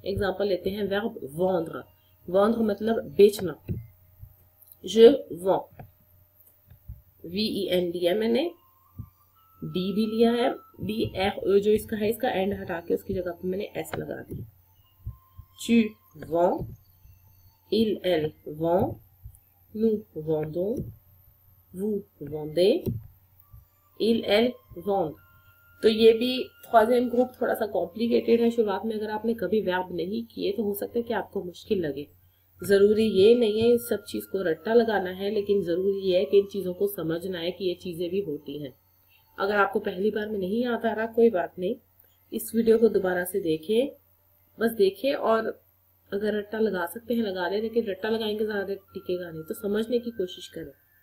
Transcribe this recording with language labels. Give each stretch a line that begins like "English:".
Hindi: Example लेते हैं verb वेंड्र, वेंड्र मतलब बेचना। Je vends. मैंने डी भी लिया है, डी एफ जो इसका है इसका एंड हटा के उसकी जगह पे मैंने एस लगा दी.
French: Tu vends, il, elle vend, nous vendons, vous vendez, il, elle vend.
Hindi: तो ये भी थ्रोजेम ग्रुप थोड़ा सा कॉम्प्लिकेटेड है. शुरुआत में अगर आपने कभी वर्ब नहीं किए तो हो सकता है कि आपको मुश्किल लगे. जरूरी ये नहीं है इस सब चीज को रट्टा लगाना है, लेकिन जरूरी है कि इन चीजों को समझना है कि ये चीजें भी होती हैं. अगर आपको पहली बार में नहीं आता रहा कोई बात नहीं, इस वीडियो को दोबारा से देखें, बस देखें और अगर रट्टा लगा सकते हैं लगा लें, लेकिन रट्टा लगाएंगे ज्यादा टिकेगा नहीं, तो समझने की कोशिश करें.